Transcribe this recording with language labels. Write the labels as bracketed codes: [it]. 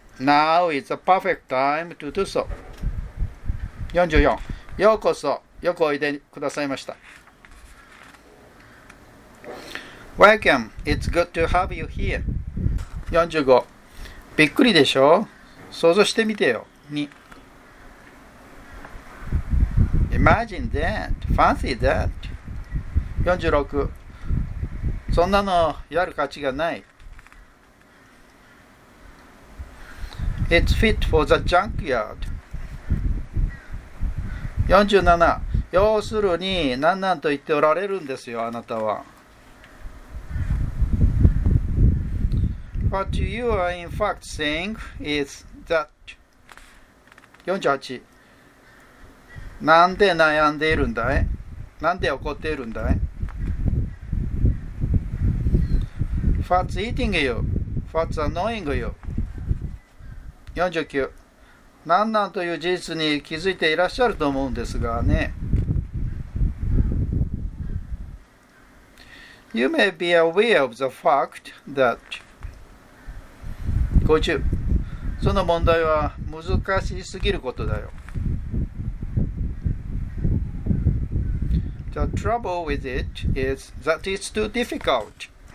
[en] Now is the perfect time to do so. [ja] 44. ようこそ。よくおいでくださいました。 [en] Welcome. It's good to have you here. 45. [ja] びっくりでしょ。想像してみてよ。 [en] 2. Imagine that. Fancy that. 46. [ja] そんなのやる価値がない。 [en] It's fit for the junkyard. 47. [ja] 要するに何なんと言っておられるんですよ、あなたは。 [en] What you are in fact saying is that 48. [ja] なんで悩んでいるんだい?なんで怒っているんだい? [en] What's eating you? What's annoying you? 49. [ja] 何なんという事実に気づいていらっしゃると思うんですがね。 [en] You may be aware of the fact that 50. [ja] その問題は難しすぎることだよ。 [en] The trouble with it is that it's too difficult.